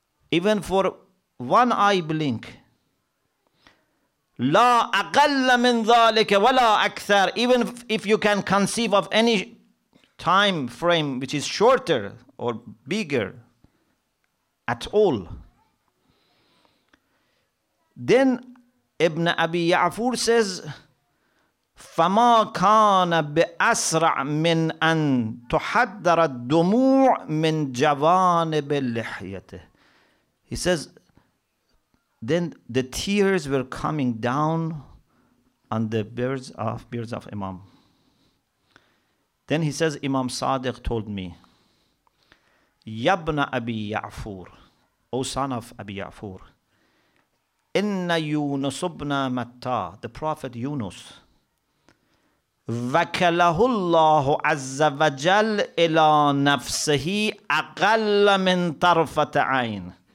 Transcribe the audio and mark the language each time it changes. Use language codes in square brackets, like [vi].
[en] Even for one eye blink. [ar] لا أقل من ذلك ولا أكثر. [en] Even if you can conceive of any time frame which is shorter or bigger at all. Then Ibn Abi Ya'fur says, [ar] فما كان بأسرع من أن تحدر الدموع من جوانب لحيته. [en] He says, then the tears were coming down on the beards of Imam. Then he says, Imam Sadiq told me, Yabna Abi Ya'fur, O son of Abi Ya'fur, Inna Yunus ibn Matta, the Prophet Yunus, [ar] وَكَلَهُ اللَّهُ عَزَّ وَجَلْ إِلَىٰ نَفْسِهِ أَقَلَّ مِنْ طَرْفَةَ عَيْنِ.